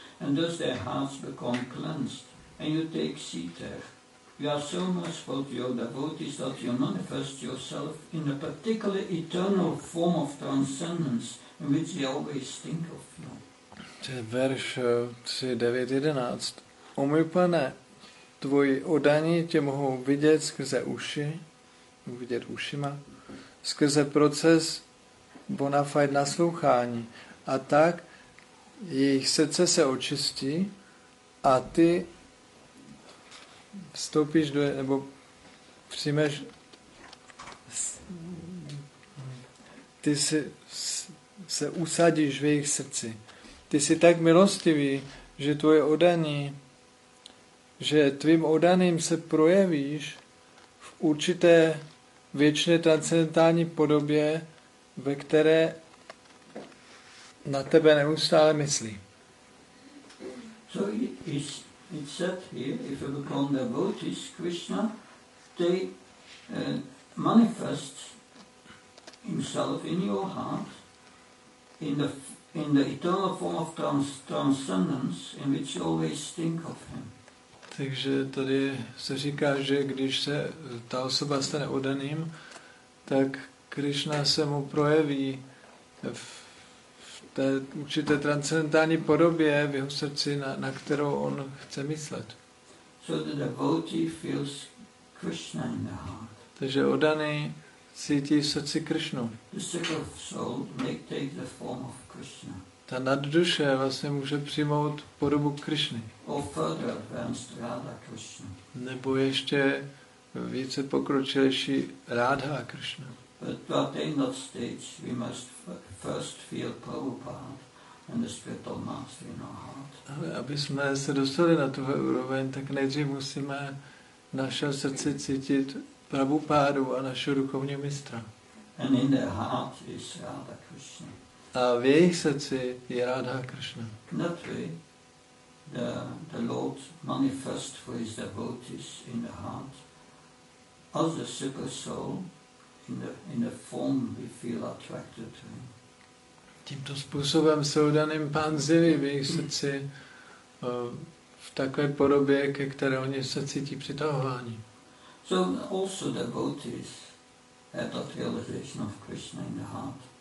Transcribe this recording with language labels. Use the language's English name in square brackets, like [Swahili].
[English] And thus their hearts become cleansed, and you take seat there. You are so merciful to your devotees that you manifest yourself in a particular eternal form of transcendence in which they always think of you. [Czech] Verš 3.9.11. O můj pane, tvoji oddaní tě mohou vidět skrze uši, vidět ušima, skrze proces bona fide naslouchání, a tak jejich srdce se očistí a ty vstoupíš do, nebo přijmeš, ty si se usadíš v jejich srdci. Ty jsi tak milostivý, že tvoje oddaní, že tvým oddaným se projevíš v určité věčné transcendentální podobě, ve které na tebe neustále myslí. [English] So it's said here, if you become devotees, Krishna, they manifest himself in your heart in the eternal form of transcendence in which you always think of him. [Czech] Takže tady se říká, že když se ta osoba stane oddaným, tak Krishna se mu projeví v té určité transcendentální podobě v jeho srdci, na kterou on chce myslet. [English] So the devotee feels Krishna in the heart. [Czech] Takže oddaný cítí v srdci Krishnu. [English] The super soul may take the form of Krishna. [Czech] Ta nadduše vlastně může přijmout podobu Krishny. [English] Or further advanced Radha Krishna. [Czech] Nebo ještě více pokročilejší Radha Krishna. [English] But to attain that stage, we must first feel Prabhupada and the spiritual master in our heart. [Czech] Ale aby jsme se dostali na tuhle úroveň, tak nejdřív musíme naše srdce cítit Prabhupádu a našeho duchovního mistra. [English] And in their heart is Radha Krishna. [Czech] A v jejich srdci je Radha Krishna. [English] That way, the Lord manifests for his devotees in the heart as the super soul. In the form we feel attracted to him. [Czech] Tímto způsobem se udaným pán zjeví v jejich srdci v takové podobě, ke které oni se cítí přitahování. [English] So also the devotees have that realization of Krishna in the heart.